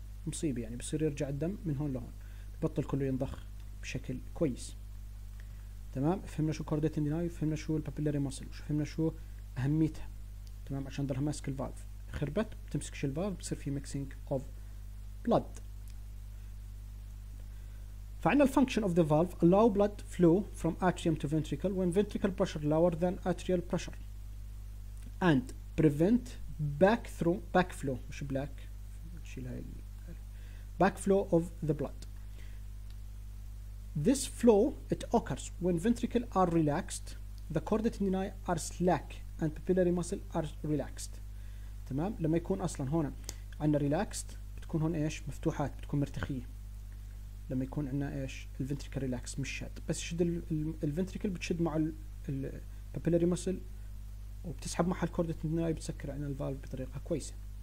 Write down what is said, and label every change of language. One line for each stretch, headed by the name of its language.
Arabic: مصيبه يعني، بصير يرجع الدم من هون لهون، ببطل كله ينضخ بشكل كويس، تمام؟ فهمنا شو كوردة تندناي، فهمنا شو البابيلاري مسل، فهمنا شو اهميتها، تمام؟ عشان ضلها ماسك الفالف. خربت بتمسكش الباب، بصير في
English: mixing of blood.
Arabic: فعندنا ال
English: function of the valve allow blood flow from atrium to ventricle when ventricle pressure lower than atrial pressure and prevent back through back flow
Arabic: مش
English: black
Arabic: نشيل هاي
English: back flow of the blood. This flow it occurs when ventricle are relaxed, the chordate tendinae are slack and papillary muscle are relaxed.
Arabic: تمام، لما يكون اصلا هون عندنا relaxed بتكون هون ايش مفتوحات بتكون مرتخيه، لما يكون عندنا ايش الventricle relaxed مش شاد، بس شد الventricle بتشد مع البابيلاري مسل وبتسحب مع الكورد تندناي بتسكر عندنا الفالف بطريقه كويسه.